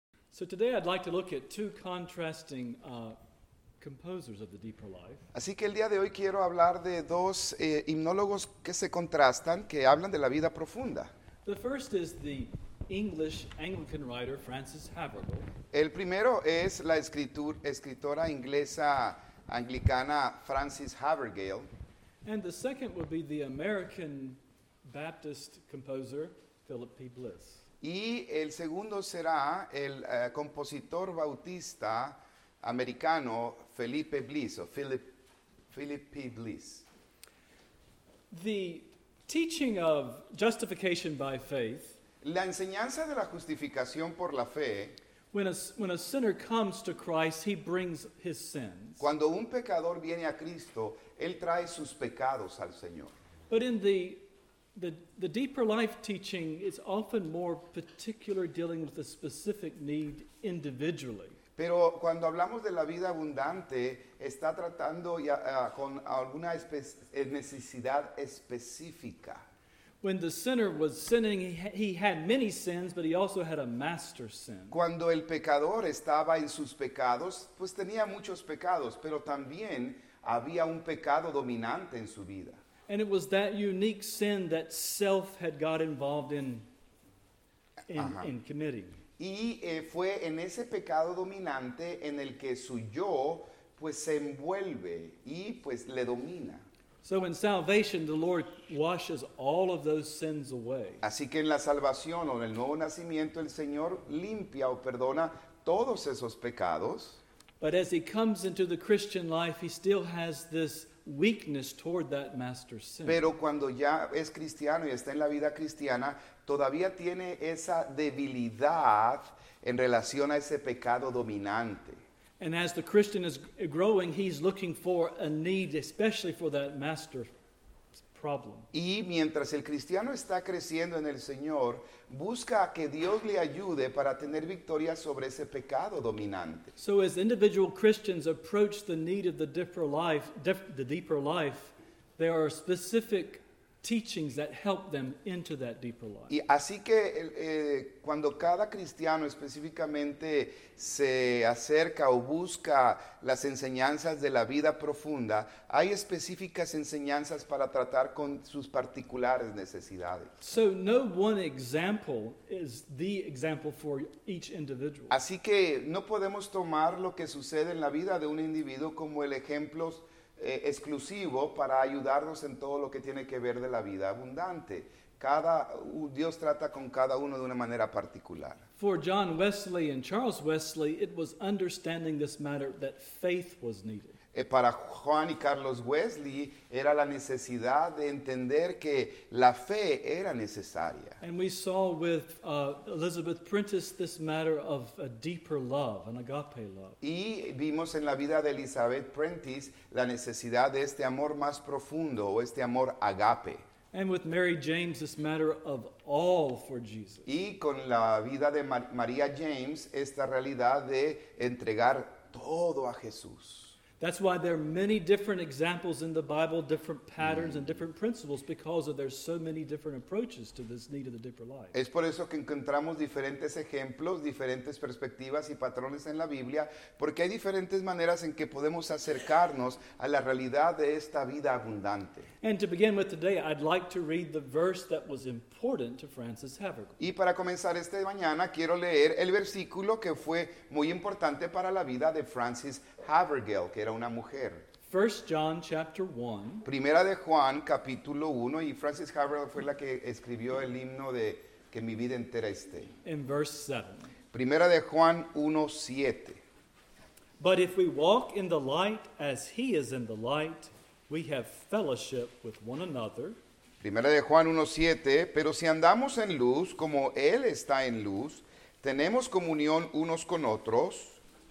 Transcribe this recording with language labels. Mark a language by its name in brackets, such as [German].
[English] So today I'd like to look at two contrasting composers of the deeper life. [Spanish] Así que el día de hoy quiero hablar de dos himnólogos que se contrastan, que hablan de la vida profunda. [English] The first is the English Anglican writer Francis Haverhill. [Spanish] El primero es la escritora inglesa anglicana Francis Haverhill. [English] And the second would be the American Baptist composer Philip P. Bliss. [Spanish] Y el segundo será el compositor bautista americano Felipe Bliss, o Philip P. Bliss. [English] The teaching of justification by faith. [Spanish] La enseñanza de la justificación por la fe. [English] When a sinner comes to Christ, he brings his sins. [Spanish] Cuando un pecador viene a Cristo, él trae sus pecados al Señor. [English] But in the deeper life teaching is often more particular, dealing with a specific need individually. [Spanish] Pero cuando hablamos de la vida abundante, está tratando ya, con alguna necesidad específica. [English] When the sinner was sinning, he had many sins, but he also had a master sin. [Spanish] Cuando el pecador estaba en sus pecados, pues tenía muchos pecados, pero también había un pecado dominante en su vida. [English] And it was that unique sin that self had got involved in committing. [Spanish] Y fue en ese pecado dominante en el que su yo, pues, se envuelve y, pues, le domina. [English] So in salvation, the Lord washes all of those sins away. [Spanish] Así que en la salvación o en el nuevo nacimiento, el Señor limpia o perdona todos esos pecados. [English] But as he comes into the Christian life, he still has this weakness toward that master sin. [Spanish] Pero cuando ya es cristiano y está en la vida cristiana, todavía tiene esa debilidad en relación a ese pecado dominante. [English] And as the Christian is growing, he's looking for a need, especially for that master problem. [Spanish] Y mientras el cristiano está creciendo en el Señor, busca que Dios le ayude para tener victoria sobre ese pecado dominante. [English] So as individual Christians approach the need of the deeper life, there are specific teachings that help them into that deeper life. [Spanish] Y así que cuando cada cristiano específicamente se acerca o busca las enseñanzas de la vida profunda, hay específicas enseñanzas para tratar con sus particulares necesidades. [English] So no one example is the example for each individual. [Spanish] Así que no podemos tomar lo que sucede en la vida de un individuo como el ejemplo exclusivo para ayudarnos en todo lo que tiene que ver de la vida abundante. Dios trata con cada uno de una manera particular. [English] For John Wesley and Charles Wesley, it was understanding this matter that faith was needed. [Spanish] Para Juan y Carlos Wesley, era la necesidad de entender que la fe era necesaria. [English] And we saw with Elizabeth Prentice this matter of a deeper love, an agape love. [Spanish] Y vimos en la vida de Elizabeth Prentice la necesidad de este amor más profundo, o este amor agape. [English] And with Mary James, this matter of all for Jesus. [Spanish] Y con la vida de María James, esta realidad de entregar todo a Jesús. [English] That's why there are many different examples in the Bible, different patterns and different principles, because there's so many different approaches to this need of the deeper life. [Spanish] Es por eso que encontramos diferentes ejemplos, diferentes perspectivas y patrones en la Biblia, porque hay diferentes maneras en que podemos acercarnos a la realidad de esta vida abundante. [English] And to begin with today, I'd like to read the verse that was important to Francis Haverhill. [Spanish] Y para comenzar esta mañana, quiero leer el versículo que fue muy importante para la vida de Francis Haverhill, que era una mujer. [English] 1 John chapter 1. [Spanish] Primera de Juan capítulo 1, y Francis Haverhill fue la que escribió el himno de Que mi vida entera esté. [English] In verse 7. [Spanish] Primera de Juan 1:7. [English] But if we walk in the light as he is in the light, we have fellowship with one another. [Spanish] Primera de Juan 1:7, pero si andamos en luz como él está en luz, tenemos comunión unos con otros.